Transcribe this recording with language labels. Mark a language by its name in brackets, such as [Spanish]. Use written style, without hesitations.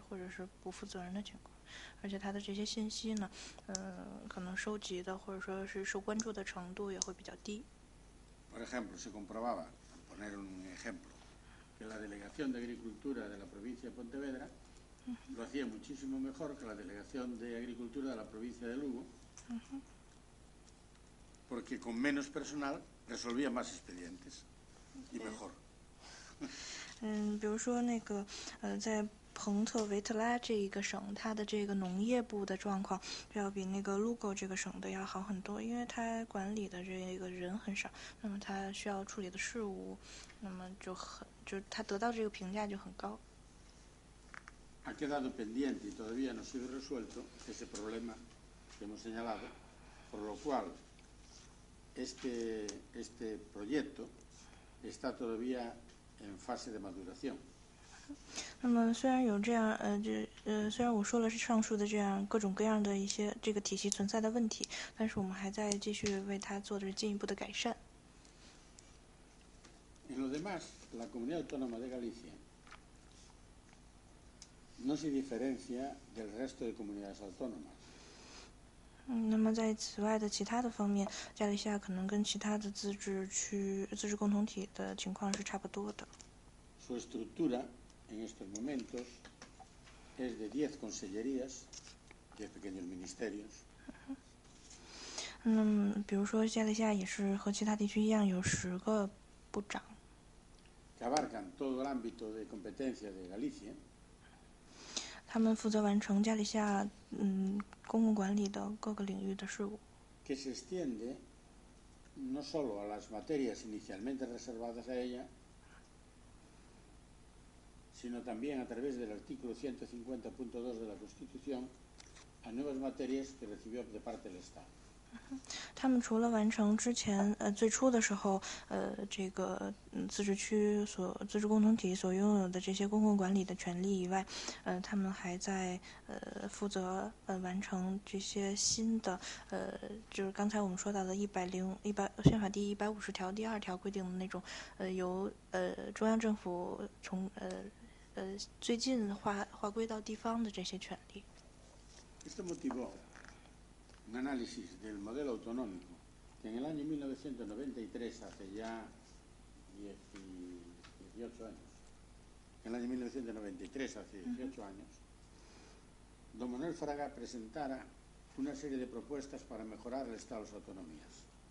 [Chinese] 那么，但是呢，由于这个加利西亚它是有4个省，那么4个省的这个人口还有地理情况是不一样的。那么每一个地区的执政长官，他们的这个评估就具有一些不公平性，因为他们的这个基本情况不一样。那么也许他有一些地方他的官员就很忙，然后有的地方他的工作相对就也许就很少，然后他就相对属于这种失职或者是不负责任的情况。而且他的这些信息呢，可能收集的或者说是受关注的程度也会比较低。 [Spanish] Por ejemplo, se comprobaba, por poner un ejemplo, que la delegación de agricultura de la provincia de Pontevedra lo hacía muchísimo mejor que la delegación de agricultura de la provincia de Lugo, porque con menos personal resolvía más expedientes y mejor. [Chinese] 嗯，比如说那个，在 彭特维特拉这一个省，它的这个农业部的状况，要比那个卢沟这个省的要好很多，因为它管理的这个人很少，那么它需要处理的事务，那么就他得到这个评价就很高。 [Spanish] Ha quedado pendiente y todavía no ha sido resuelto ese problema que hemos señalado, por lo cual este proyecto está todavía en fase de maduración. [Chinese] 那么虽然有这样虽然我说了是上述的这样各种各样的一些这个体系存在的问题，但是我们还在继续为它做着进一步的改善。 [Spanish] En lo demás, la Comunidad Autónoma de Galicia no se diferencia del resto de comunidades autónomas. [Chinese] 那么在此外的其他的方面，加利西亚可能跟其他的自治共同体的情况是差不多的。 [Spanish] Su estructura en estos momentos es de 10 consellerías, 10 pequeños ministerios. [Chinese] 那么比如说加利西亚也是和其他地区一样有十个部长。 [Spanish] Que abarcan todo el ámbito de competencia de Galicia. [Chinese] 他们负责完成加利西亚公共管理的各个领域的事务。 [Spanish] Que se extiende no solo a las materias inicialmente reservadas a ella, sino también a través del artículo 150.2 de la Constitución a nuevas materias que recibió de parte del Estado. [Chinese] 他们除了完成之前最初的时候这个自治共同体所拥有的这些公共管理的权利以外，他们还在负责完成这些新的就是刚才我们说到的宪法第150条第二条规定的那种由中央政府从最近划归到地方的这些权利。 [Spanish] Un análisis del modelo autonómico que en el año 1993, hace ya 18 años, en el año 1993, hace 18 años, don Manuel Fraga presentara una serie de propuestas para mejorar el Estado de las autonomías.